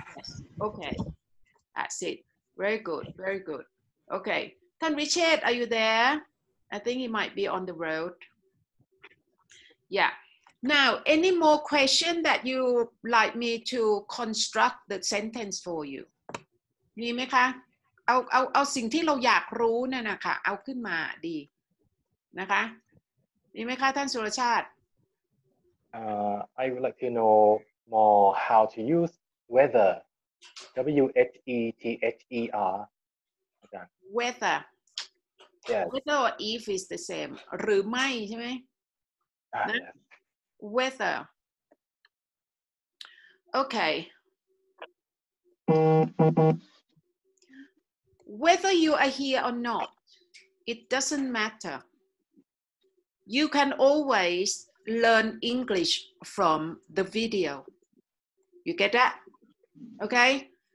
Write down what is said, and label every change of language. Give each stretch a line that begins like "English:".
English: Yes. Okay. That's it. Very good. Very good. Okay. Tan Richard, are you there? I think he might be on the road. Yeah. Now, any more question that you like me to construct the sentence for you?
Thai: มีไหมคะ เอาสิ่งที่เราอยากรู้นั่นนะคะเอาขึ้นมาดีนะคะมีไหมคะท่านสุรชาติ
English: I would like to know more how to use weather W-H-E-T-H-E-R weather yes. weather or if is the same
Thai: หรือไม่ใช่ไหม
English: yes. weather okay whether you are here or not it doesn't matter you can always learn English from the video. You get that? Okay?